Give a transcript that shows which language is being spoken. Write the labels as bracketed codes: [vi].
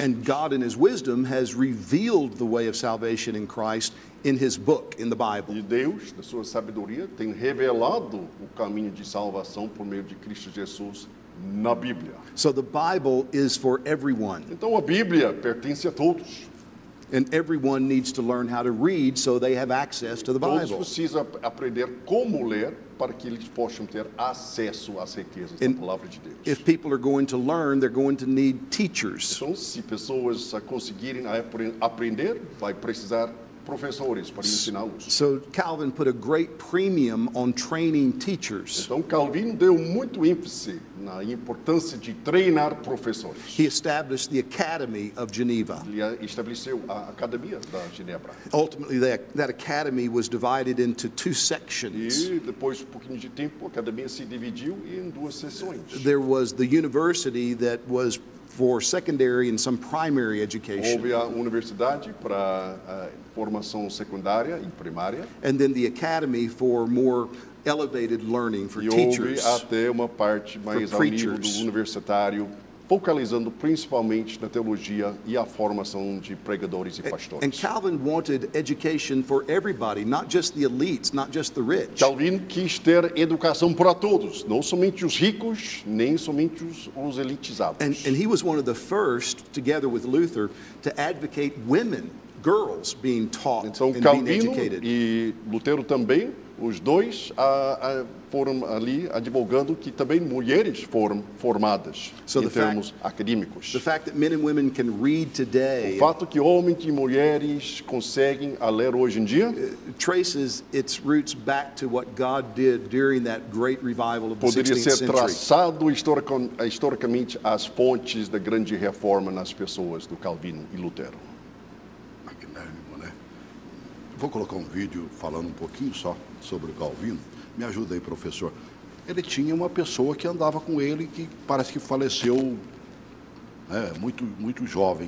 [en] And God in his wisdom has revealed the way of salvation in Christ in his book, in the Bible. [pt] E Deus, na sua sabedoria, tem revelado o caminho de salvação por meio de Cristo Jesus na Bíblia. [en] So the Bible is for everyone. [pt] Então a Bíblia pertence a todos. [en] And everyone needs to learn how to read so they have access to the Bible. [pt] Todos precisam aprender como ler para que eles possam ter acesso às riquezas da palavra de Deus. [en] If people are going to learn, they're going to need teachers. [pt] Então, se pessoas conseguirem aprender, vai precisar professores para ensiná-los. [en] So Calvin put a great premium on training teachers. [pt] Então Calvin deu muito ênfase na importância de treinar professores. [en] He established the Academy of Geneva. [pt] Ele estabeleceu a Academia da Genebra. [en] Ultimately, that academy was divided into two sections. [pt] E depois um pouquinho de tempo, a academia se dividiu em duas seções. [en] There was the university that was for secondary and some primary education. [pt] Houve a universidade para formação secundária e primária. [en] And then the academy for more elevated learning for [pt] e [en] teachers. [pt] E houve até uma parte mais ao nível do universitário, focalizando principalmente na teologia e a formação de pregadores e pastores. [en] And Calvin wanted education for everybody, not just the elites, not just the rich. [pt] Calvin quis ter educação para todos, não somente os ricos, nem somente os elitizados. [en] And he was one of the first, together with Luther, to advocate women, girls, being taught [pt] então, [en] and [pt] Calvino [en] being educated. [pt] E Lutero também, os dois, foram ali advogando que também mulheres foram formadas [en] so [pt] em termos acadêmicos. [en] The fact that men and women can read today, [pt] o fato que homens e mulheres conseguem a ler hoje em dia [en] traces its roots back to what God did during that great revival of the 16th century. [pt] Poderia ser traçado historicamente as fontes da grande reforma nas pessoas do Calvino e Lutero. Magnânimo, né? Vou colocar um vídeo falando um pouquinho só sobre Calvino. Me ajuda aí, professor. Ele tinha uma pessoa que andava com ele que parece que faleceu, né, muito, muito jovem.